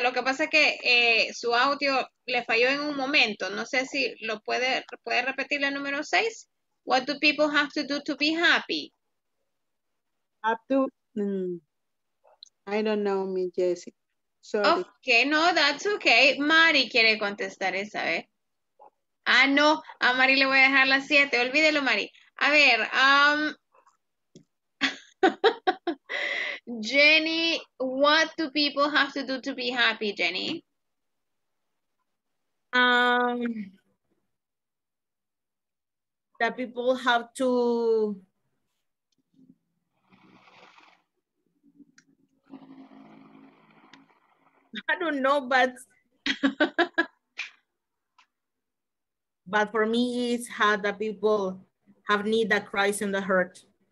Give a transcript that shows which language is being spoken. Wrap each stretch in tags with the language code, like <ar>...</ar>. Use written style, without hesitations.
<es>Lo que pasa es que su audio le falló en un momento. No sé si lo puede repetir la número seis.</es> <en>What do people have to do to be happy? I don't know, mi Jessie. Sorry. Okay, no, that's okay.</en> <es>Mari quiere contestar esa, ¿eh? Ah, no, a Mari le voy a dejar las siete. Olvídelo, Mari. A ver,</es> <en>Jenny, what do people have to do to be happy, Jenny? That people have to I don't know, but but for me it's how the people have need that Christ in the heart.</en>